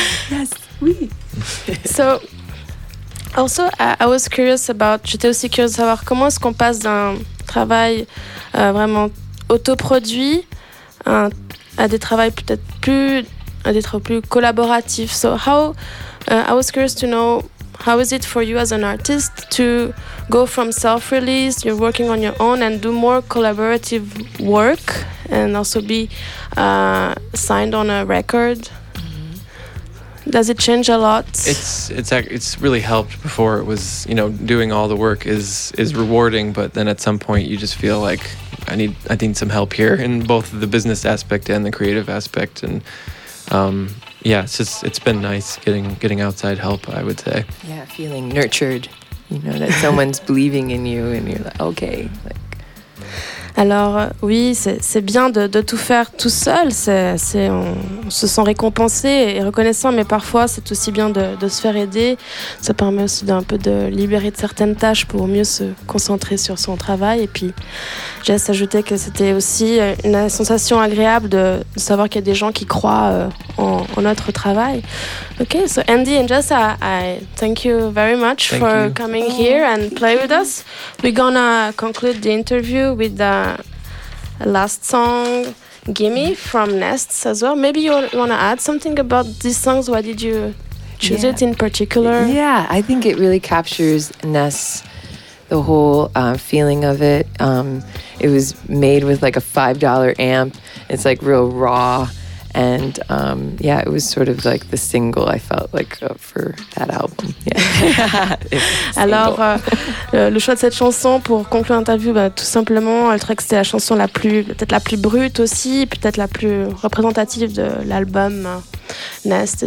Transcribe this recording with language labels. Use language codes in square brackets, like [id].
[en] Yes, [fr] oui. [en] So. Also, I was curious about. [fr] J'étais aussi curieuse de savoir comment est-ce qu'on passe d'un travail vraiment autoproduit à des travaux peut-être plus, à des travaux plus collaboratifs. [en] So how I was curious to know how is it for you as an artist to go from self-release, you're working on your own, and do more collaborative work, and also be signed on a record. Does it change a lot? It's really helped. Before, it was, you know, doing all the work is rewarding, but then at some point you just feel like I need some help here in both the business aspect and the creative aspect. And it's been nice getting outside help, I would say. Yeah, feeling nurtured, you know, that someone's believing in you and you're like, okay. Like. [fr] Alors oui, c'est bien de tout faire tout seul, on se sent récompensé et reconnaissant, mais parfois c'est aussi bien de se faire aider. Ça permet aussi d'un peu de libérer de certaines tâches pour mieux se concentrer sur son travail. Et puis Jess ajoutait que c'était aussi une sensation agréable de savoir qu'il y a des gens qui croient en notre travail. [en] Okay, so Andy and Jess, I thank you very much coming here and play with us. We're gonna conclude the interview with the last song, Gimme, from Nests as well. Maybe you want to add something about these songs. Why did you choose it in particular? Yeah, I think it really captures Nests, the whole feeling of it. It was made with like a $5 amp. It's like real raw. And it was sort of like the single I felt like for that album. Yeah. [fr] Alors, le choix de cette chanson pour conclure l'interview, tout simplement, elle trouvait que c'était la chanson la plus, peut-être la plus brute aussi, peut-être la plus représentative de l'album Nest.